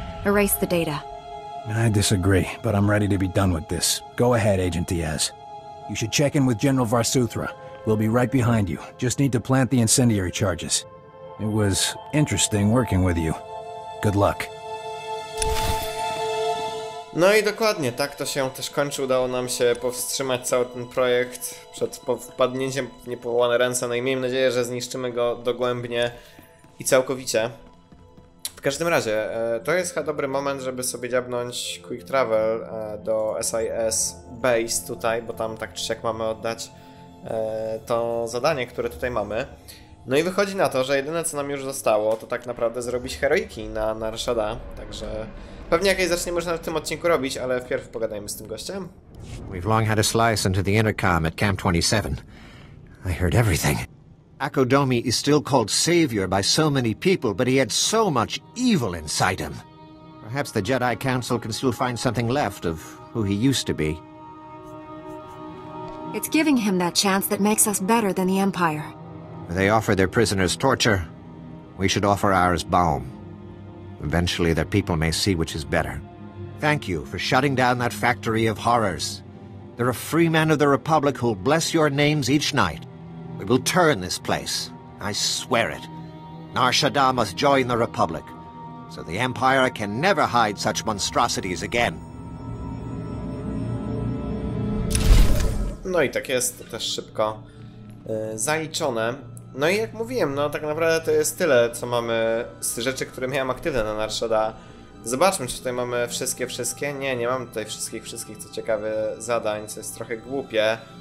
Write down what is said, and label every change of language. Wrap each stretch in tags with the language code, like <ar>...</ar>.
<en>Erase the data. I disagree, but I'm ready to be done with this. Go ahead, Agent Diaz. You should check in with General Varsuthra. We'll be right behind you. Just need to plant the incendiary charges. It was interesting working with you. Good luck.</en> <pl>No i dokładnie, tak to się też kończy. Udało nam się powstrzymać cały ten projekt przed wpadnięciem w niepowołane ręce. No i miejmy nadzieję, że zniszczymy go dogłębnie i całkowicie. W każdym razie, to jest chyba dobry moment, żeby sobie dziabnąć Quick Travel do SIS Base tutaj, bo tam tak czy siak mamy oddać to zadanie, które tutaj mamy. No i wychodzi na to, że jedyne co nam już zostało, to tak naprawdę zrobić heroiki na Rashada, także... Pewnie jakieś zaczniemy już w tym odcinku robić, ale wpierw pogadajmy z tym gościem.</pl> <en>We've long had a slice into the intercom at Camp 27. I heard everything. Akodomi is still called savior by so many people, but he had so much evil inside him. Perhaps the Jedi Council can still find something left of who he used to be. It's giving him that chance that makes us better than the Empire. They offer their prisoners torture. We should offer ours balm. Eventually, their people may see which is better. Thank you for shutting down that factory of horrors. There are free men of the Republic who'll bless your names each night. We will turn this place. I swear it. Nar Shaddaa must join the Republic, so the Empire can never hide such monstrosities again.</en> <pl>No i tak jest, to też szybko zaliczone. No i jak mówiłem, no tak naprawdę to jest tyle, co mamy z rzeczy, które miałem aktywne na Nar Shaddaa. Zobaczmy, czy tutaj mamy wszystkie. Nie, nie mam tutaj wszystkich, co ciekawe, zadań, co jest trochę głupie.</pl>